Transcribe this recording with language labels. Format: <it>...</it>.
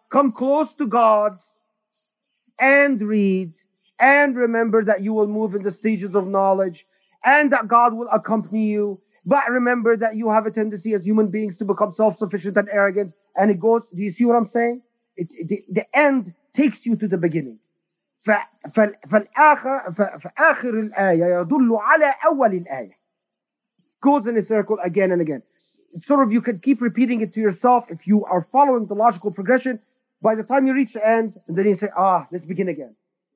<en>Come close to God and read, and remember that you will move in the stages of knowledge, and that God will accompany you, but remember that you have a tendency as human beings to become self-sufficient and arrogant, and it goes, do you see what I'm saying? The end takes you to the beginning.</en> <ar>فالآخر الآية يدل على أول الآية.</ar> <en>Goes in a circle again and again. It's sort of, you can keep repeating it to yourself if you are following the logical progression. By the time you reach the end, and then you say, let's begin again.</en>